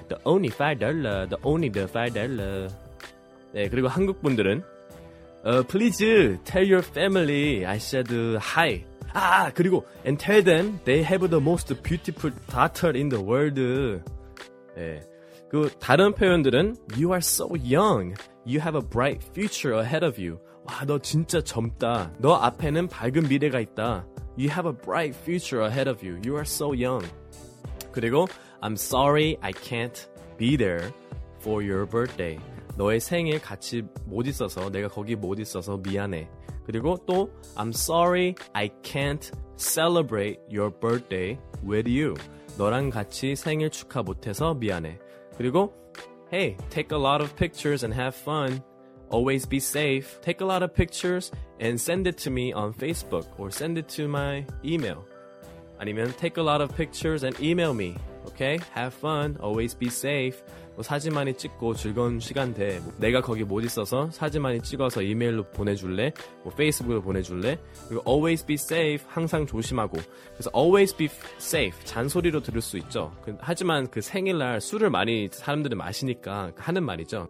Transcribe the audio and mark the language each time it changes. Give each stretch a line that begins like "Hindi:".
English: The only $5.
Korean: 네, 그리고 한국 분들은
English: please tell your family I said hi.
Korean: 아, 그리고
English: and tell them they have the most beautiful daughter in the world.
Korean: 네, 그 다른 표현들은
English: you are so young. You have a bright future ahead of you.
Korean: 와, 너 진짜 젊다. 너 앞에는 밝은 미래가 있다.
English: You have a bright future ahead of you. You are so young. 그리고 I'm sorry I can't be there for your birthday.
Korean: 너의 생일 같이 못 있어서 내가 거기 못 있어서 미안해.
English: 그리고 또 I'm sorry I can't celebrate your birthday with you.
Korean: 너랑 같이 생일 축하 못해서 미안해.
English: 그리고 Hey, take a lot of pictures and have fun. Always be safe. Take a lot of pictures and send it to me on Facebook or send it to my email. 아니면 take a lot of pictures and email me. Okay? Have fun. Always be safe.
Korean: 뭐 사진 많이 찍고 즐거운 시간 돼. 뭐 내가 거기 못 있어서 사진 많이 찍어서 이메일로 보내줄래? 뭐 페이스북으로 보내줄래?
English: 그리고 always be safe.
Korean: 항상 조심하고.
English: 그래서 always be safe.
Korean: 잔소리로 들을 수 있죠. 하지만 그 생일날 술을 많이 사람들이 마시니까 하는 말이죠.